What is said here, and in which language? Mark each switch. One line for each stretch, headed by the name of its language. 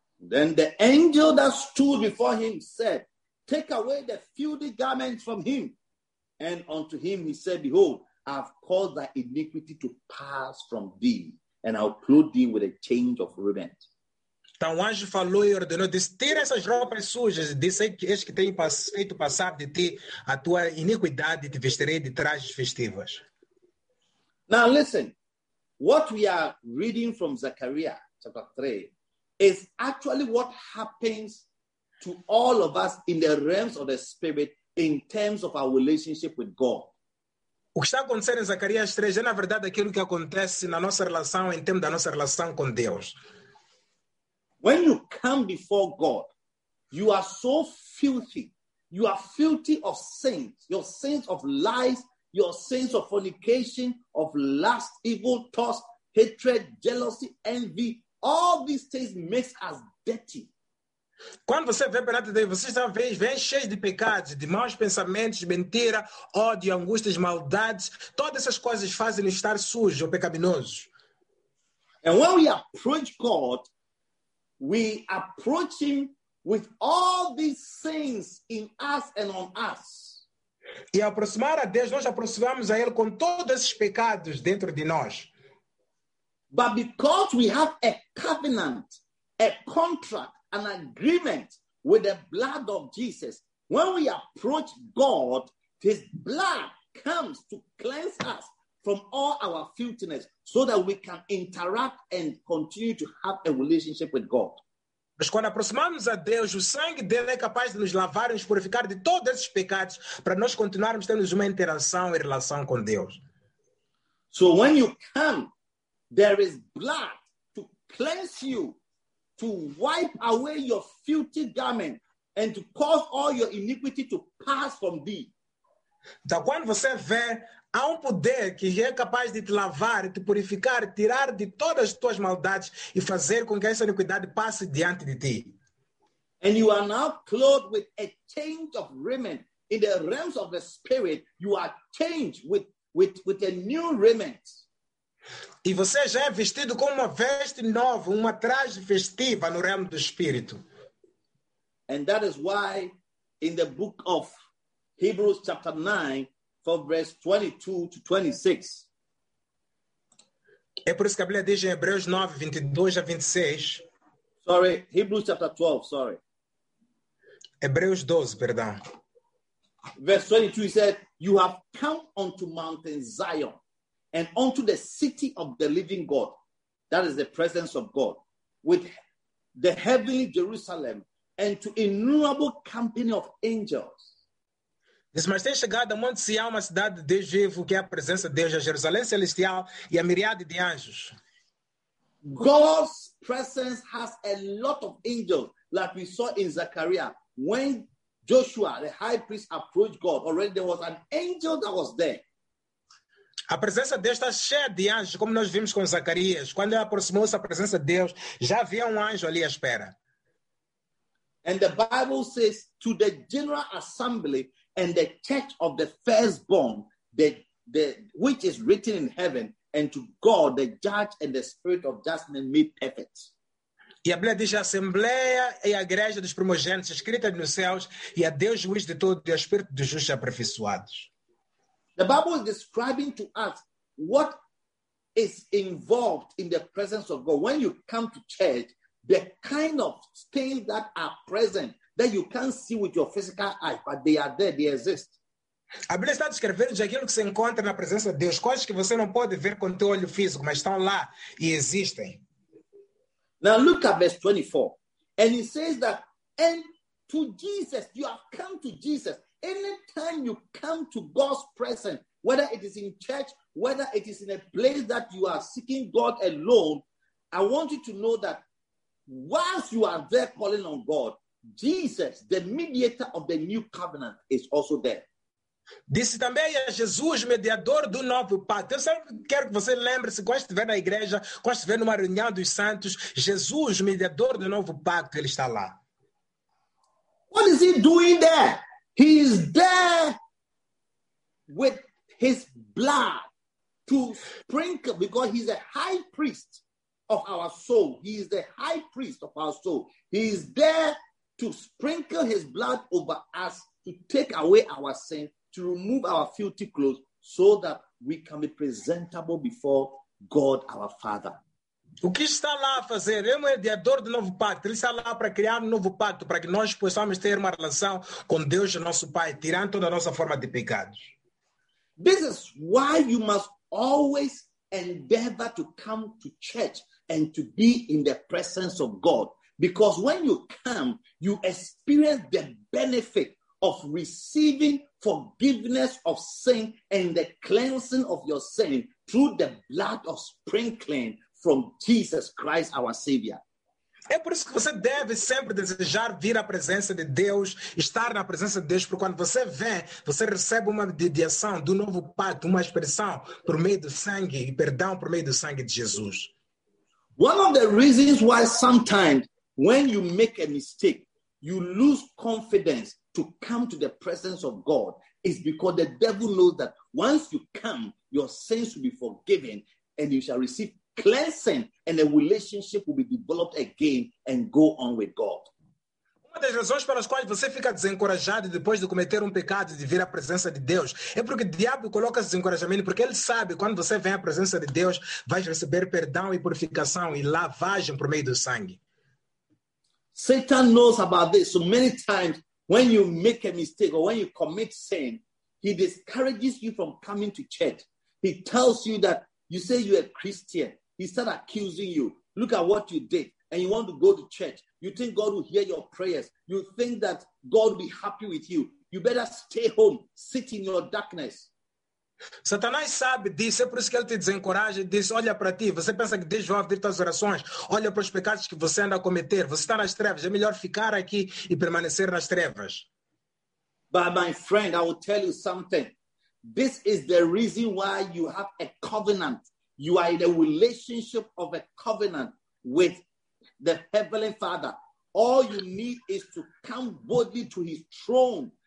English: Then the angel that stood before him said, take away the filthy garments from him. And unto him he said, behold, I have caused thy iniquity to pass from thee, and I'll clothe thee with a change of raiment.
Portuguese: Então o anjo falou e ordenou, disse, tira essas roupas sujas, disse, eis que tenho feito passar de ti a tua iniquidade, te vestirei de trajes festivos.
English: Now listen, what we are reading from Zechariah chapter 3 is actually what happens to all of us in the realms of the spirit in terms of our relationship with God.
Portuguese: O que está acontecendo em Zacarias 3 é, na verdade, aquilo que acontece na nossa relação, em termos da nossa relação com Deus.
English: When you come before God, you are so filthy. You are filthy of sins. Your sins of lies, your sins of fornication, of lust, evil thoughts, hatred, jealousy, envy. All these things make us dirty.
Portuguese: Quando você vê perante Deus, você já vem cheio de pecados, de maus pensamentos, de mentira, ódio, angústias, maldades. Todas essas coisas fazem estar sujo ou pecaminoso.
English: And when we approach God, we approach him with all these things in us and on us.
Portuguese: E ao aproximar a Deus, nós aproximamos a ele com todos esses pecados dentro de nós.
English: But because we have a covenant, a contract, an agreement with the blood of Jesus. When we approach God, his blood comes to cleanse us from all our filthiness so that we can interact and continue to have a relationship with God.
Portuguese: Mas quando aproximamos a Deus, o sangue dele é capaz de nos lavar e nos purificar de todos esses pecados para nós continuarmos tendo uma interação e relação com Deus.
English: So when you come, there is blood to cleanse you, to wipe away your filthy garment and to cause all your iniquity to pass from thee.
Portuguese: Então, quando você vê, há poder que é capaz de te lavar, te purificar, tirar de todas as tuas maldades e fazer com que essa iniquidade passe diante de ti.
English: And you are now clothed with a change of raiment. in the realms of the spirit, you are changed with a new raiment.
Portuguese: E você já é vestido com uma veste nova, uma traje festiva no reino do espírito.
English: And that is why in the book of Hebrews chapter 9 from verse 22 to 26.
Portuguese: É por isso que a Bíblia diz em Hebreus 9, 22 a 26.
English: Sorry, Hebrews chapter 12, sorry.
Portuguese: Hebreus 12, perdão.
English: Verse 22, he said, you have come unto Mount Zion and unto the city of the living God, that is the presence of God, with the heavenly Jerusalem and to innumerable company of angels.
Portuguese: Diz, mas tem chegado a Monte Sião, uma cidade de Deus vivo, que é a presença de Deus, a Jerusalém celestial e a miríade de anjos.
English: God's presence has a lot of angels, like we saw in Zechariah. When Joshua, the high priest, approached God, already there was an angel that was there.
Portuguese: A presença de Deus está cheia de anjos, como nós vimos com Zacarias. Quando ele aproximou-se da presença de Deus, já havia um anjo ali à espera.
English: And the Bible says, to the general assembly and the church of the firstborn, which is written in heaven, and to God, the judge and the spirit of judgment made perfect.
Portuguese: E a Bíblia diz, a assembleia e a igreja dos primogênitos, escrita nos céus, e a Deus juiz de todos, e o espírito dos justos aperfeiçoados.
English: The Bible is describing to us what is involved in the presence of God. When you come to church, the kind of things that are present that you can't see with your physical eye, but they are there, they exist.
Portuguese: A Bíblia está descrevendo de aquilo que se encontra na presença de Deus, coisas que você não pode ver com o teu olho físico, mas estão lá e existem.
English: Now look at verse 24. And it says that, and to Jesus, you have come to Jesus. Anytime you come to God's presence, whether it is in church, whether it is in a place that you are seeking God alone, I want you to know that whilst you are there calling on God, Jesus, the mediator of the new covenant, is also there.
Portuguese: Disse também a Jesus, mediador do novo pacto. Eu só quero que você lembre-se, quando estiver na igreja, quando estiver numa reunião dos santos, Jesus, mediador do novo pacto, ele está lá.
English: What is he doing there? He is there with his blood to sprinkle, because he's a high priest of our soul. He is the high priest of our soul. He is there to sprinkle his blood over us, to take away our sin, to remove our filthy clothes, so that we can be presentable before God, our Father.
Portuguese: O que está lá a fazer? Ele é o mediador do novo pacto. Ele está lá para criar um novo pacto, para que nós possamos ter uma relação com Deus, nosso Pai, tirando toda a nossa forma de pecados.
English: This is why you must always endeavor to come to church and to be in the presence of God. Because when you come, you experience the benefit of receiving forgiveness of sin and the cleansing of your sin through the blood of sprinkling from Jesus Christ, our Savior.
Portuguese: É por isso que você deve sempre desejar vir à presença de Deus, estar na presença de Deus, porque quando você vem, você recebe uma mediação do novo pacto, uma expressão por meio do sangue, e perdão por meio do sangue de Jesus.
English: One of the reasons why sometimes, when you make a mistake, you lose confidence to come to the presence of God, is because the devil knows that once you come, your sins will be forgiven, and you shall receive cleansing, and a relationship will be developed again and go on with God.
Portuguese: Uma das razões pelas quais você fica desencorajado depois de cometer um pecado e de vir à presença de Deus é porque o diabo coloca esse desencorajamento, porque ele sabe que quando você vem à presença de Deus, vais receber perdão e purificação e lavagem por meio do sangue.
English: Satan knows about this. So many times when you make a mistake or when you commit sin, he discourages you from coming to church. He tells you that you say you're a Christian. He starts accusing you. Look at what you did. And you want to go to church. You think God will hear your prayers. You think that God will be happy with you. You better stay home. Sit in your darkness.
Portuguese: Satanás sabe disso. É por isso que ele te desencoraja e diz, olha para ti. Você pensa que Deus vai ouvir tuas orações. Olha para os pecados que você anda a cometer. Você está nas trevas. É melhor ficar aqui e permanecer nas trevas.
English: But my friend, I will tell you something. This is the reason why you have a covenant. You are in a relationship of a covenant with the Heavenly Father. All you need is to come boldly to his throne